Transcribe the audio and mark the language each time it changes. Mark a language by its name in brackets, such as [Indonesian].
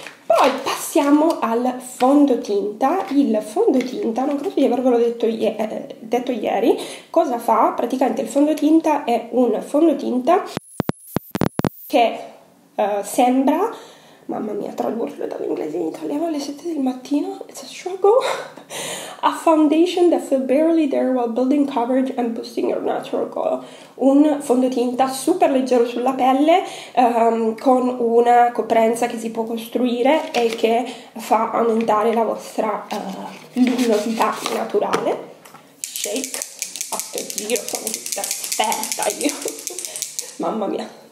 [Italian] Poi passiamo al fondotinta. Il fondotinta, non credo di avervelo detto ieri, cosa fa? Praticamente il fondotinta è un fondotinta che sembra... Mamma mia, tradurlo dall'inglese in italiano alle 7 del mattino, [English] it's a struggle. A foundation that feel barely there while building coverage and boosting your natural glow. [Italian] Un fondotinta super leggero sulla pelle, con una coprenza che si può costruire e che fa aumentare la vostra luminosità naturale. Shake. Oddio, sono tutta aspetta io. Mamma mia.